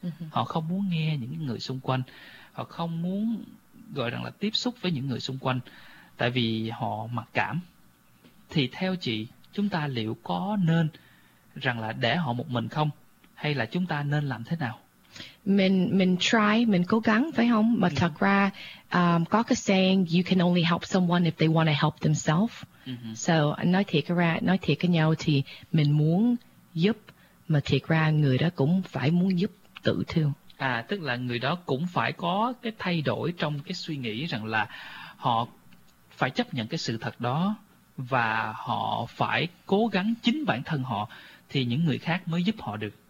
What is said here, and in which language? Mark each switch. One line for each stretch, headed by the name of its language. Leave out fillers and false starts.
Vietnamese: Họ không muốn nghe những người xung quanh, họ không muốn gọi rằng là tiếp xúc với những người xung quanh, tại vì họ mặc cảm. Thì theo chị, chúng ta liệu có nên rằng là để họ một mình không? Hay là chúng ta nên làm thế nào? Mình cố gắng, phải không? Mà thật ra, có cái
English: saying, you can only help someone if they want to help themselves.
Vietnamese: So, nói thiệt với nhau thì mình muốn giúp, mà thiệt ra người đó cũng phải muốn giúp tự thương. À, tức là người đó cũng phải có cái thay đổi trong cái suy nghĩ rằng là họ phải chấp nhận cái sự thật đó, và họ phải cố gắng chính bản thân họ thì những người khác mới giúp họ được.